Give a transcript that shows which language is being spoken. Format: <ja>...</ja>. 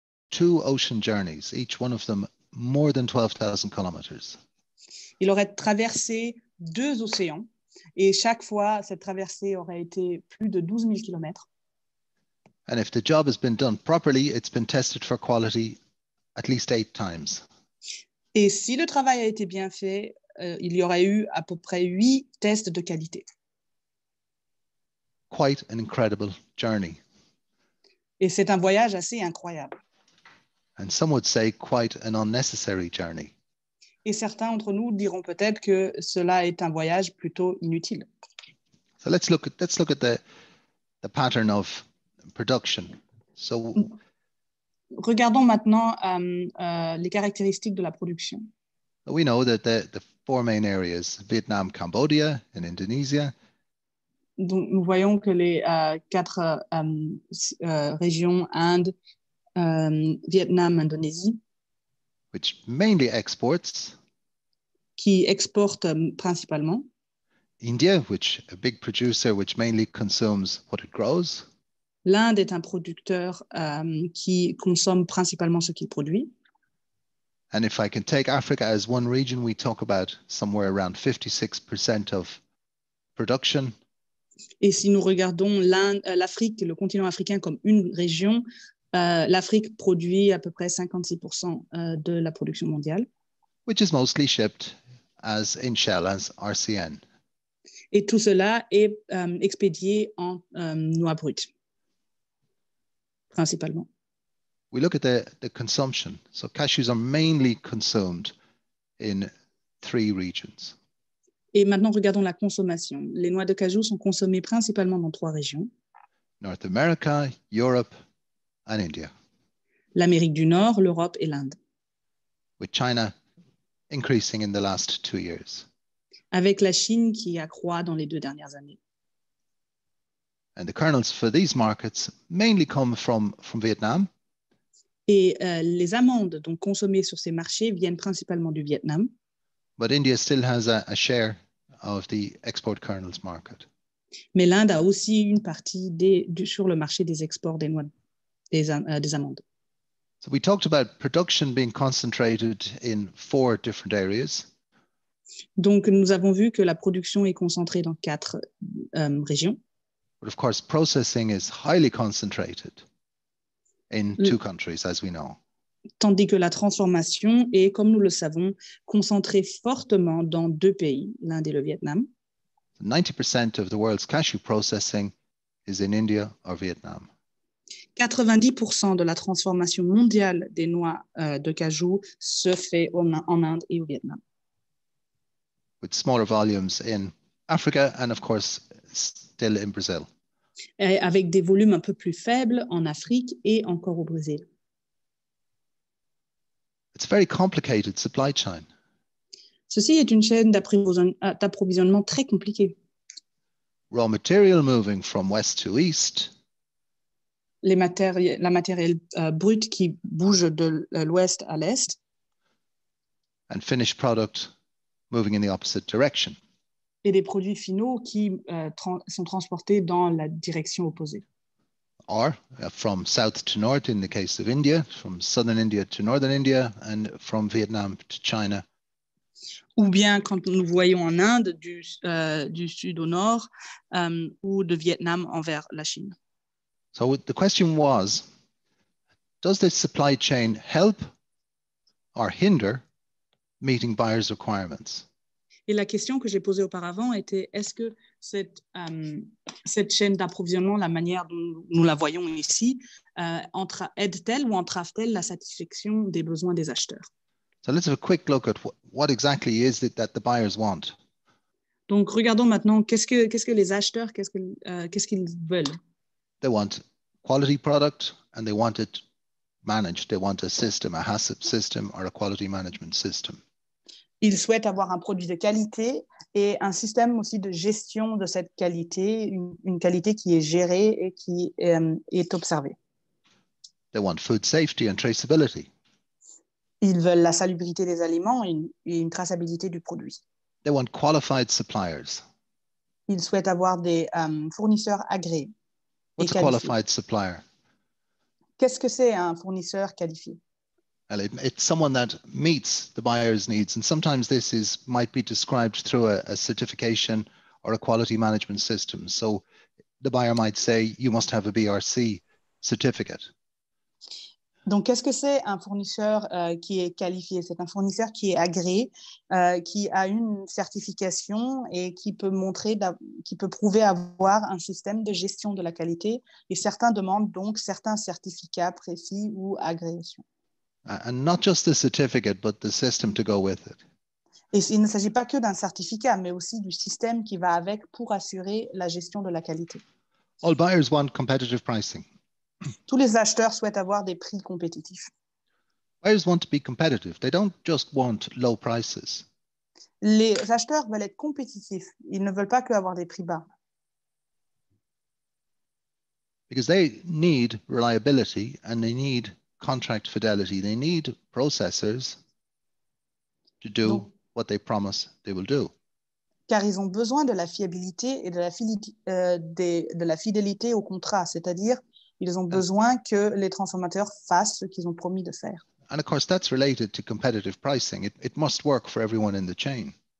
<en>two ocean journeys, each one of them more than 12,000 kilometers.</en> <fr>Il aurait traversé deux océans et chaque fois, cette traversée aurait été plus de 12 000 kilomètres.</fr> <en>And if the job has been done properly, it's been tested for quality at least 8 times.</en> <fr>Et si le travail a été bien fait, il y aurait eu à peu près 8 tests de qualité.</fr> <en>Quite an incredible journey.</en> <fr>Et c'est un voyage assez incroyable.</fr> <en>And some would say quite an unnecessary journey.</en> <fr>Et certains entre nous diront peut-être que cela est un voyage plutôt inutile.</fr> <en>So let's look at the pattern of production. So</en> <fr>Regardons maintenant les caractéristiques de la production.</fr> <en>we know that the four main areas, Vietnam, Cambodia, and Indonesia.</en> <fr>Donc, nous voyons que les quatre régions, Inde, Vietnam, Indonésie,</fr> <en>Which mainly exports.</en> <fr>qui exportent principalement.</fr> <en>India, which a big producer, which mainly consumes what it grows.</en> <fr>L'Inde est un producteur qui consomme principalement ce qu'il produit.</fr> <en>And if I can take Africa as one region, we talk about somewhere around 56% of production.</en> <fr>Et si nous regardons l'Afrique, le continent africain comme une région, l'Afrique produit à peu près 56% de la production mondiale.</fr> <en>Which is mostly shipped as in Shell, as RCN.</en> <fr>Et tout cela est expédié en noix brutes, principalement.</fr> <en>We look at the consumption. So cashews are mainly consumed in three regions.</en> <fr>Et maintenant, regardons la consommation. Les noix de cajou sont consommées principalement dans trois régions.</fr> <en>North America, Europe, and India.</en> <fr>L'Amérique du Nord, l'Europe et l'Inde.</fr> <en>With China increasing in the last 2 years.</en> <fr>Avec la Chine qui accroît dans les 2 dernières années.</fr> <en>And the kernels for these markets mainly come from Vietnam.</en> <fr>Et les amandes donc consommées sur ces marchés viennent principalement du Vietnam.</fr> <en>But India still has a share of the export kernels market.</en> <fr>Mais l'Inde a aussi une partie sur le marché des exports des noix, des amandes.</fr> <en>So we talked about production being concentrated in four different areas.</en> <fr>Donc, nous avons vu que la production est concentrée dans quatre régions.</fr> <en>But of course, processing is highly concentrated in two countries, as we know.</en> <fr>Tandis que la transformation est, comme nous le savons, concentrée fortement dans 2 pays, l'Inde et le Vietnam.</fr> <en>90% of the world's cashew processing is in India or Vietnam.</en> <fr>90% de la transformation mondiale des noix de cajou se fait en Inde et au Vietnam.</fr> <en>With smaller volumes in Africa and, of course, still in Brazil.</en> <fr>Et avec des volumes un peu plus faibles en Afrique et encore au Brésil.</fr> <en>It's a very complicated supply chain.</en> <fr>Ceci est une chaîne d'approvisionnement très compliquée.</fr> <en>Raw material moving from west to east.</en> <fr>La matérielle brute qui bouge de l'ouest à l'est.</fr> <en>And finished product moving in the opposite direction.</en> <fr>Et des produits finaux qui sont transportés dans la direction opposée.</fr> <en>Or from south to north in the case of India, from southern India to northern India, and from Vietnam to China.</en> <fr>Ou bien quand nous voyons en Inde du sud au nord ou de Vietnam envers la Chine.</fr> <en>So the question was, does this supply chain help or hinder meeting buyers' requirements?</en> <fr>Et la question que j'ai posée auparavant était, est-ce que cette chaîne d'approvisionnement, la manière dont nous la voyons ici, aide-t-elle ou entrave-t-elle la satisfaction des besoins des acheteurs?</fr> <en>So let's have a quick look at what exactly is it that the buyers want.</en> <fr>Donc, regardons maintenant, qu'est-ce que les acheteurs, qu'est-ce qu'ils veulent?</fr> <en>They want quality product and they want it managed. They want a system, a HACCP system or a quality management system.</en> <fr>Ils souhaitent avoir un produit de qualité et un système aussi de gestion de cette qualité, une qualité qui est gérée et qui est observée.</fr> <en>They want food safety and traceability.</en> <fr>Ils veulent la salubrité des aliments et une traçabilité du produit.</fr> <en>They want qualified suppliers.</en> <fr>Ils souhaitent avoir des fournisseurs agréés et</fr> <en>What's a</en> <fr>qualifiés.</fr> <en>qualified supplier?</en> <fr>Qu'est-ce que c'est un fournisseur qualifié?</fr> <en>Well, it's someone that meets the buyer's needs, and sometimes this is might be described through a certification or a quality management system. So the buyer might say, you must have a BRC certificate.</en> <fr>Donc, qu'est-ce que c'est un fournisseur qui est qualifié? C'est un fournisseur qui est agréé, qui a une certification et qui peut montrer, qui peut prouver avoir un système de gestion de la qualité. Et certains demandent donc certains certificats précis ou agréations.</fr> <en>And not just the certificate, but the system to go with it.</en> <fr>Et il ne s'agit pas que d'un certificat, mais aussi du système qui va avec pour assurer la gestion de la qualité.</fr> <en>All buyers want competitive pricing.</en> <fr>Tous les acheteurs souhaitent avoir des prix compétitifs.</fr> <en>Buyers want to be competitive. They don't just want low prices.</en> <fr>Les acheteurs veulent être compétitifs. Ils ne veulent pas que avoir des prix bas.</fr> <en>Because they need reliability and they need contract fidelity. They need processors to do what they promise they will do.</en> <fr>Car ils ont besoin de la fiabilité et de la fidélité au contrat, c'est-à-dire ils ont besoin que les transformateurs fassent ce qu'ils ont promis de faire.</fr> <en>And of course, that's related to competitive pricing. It must work for everyone in the chain.</en>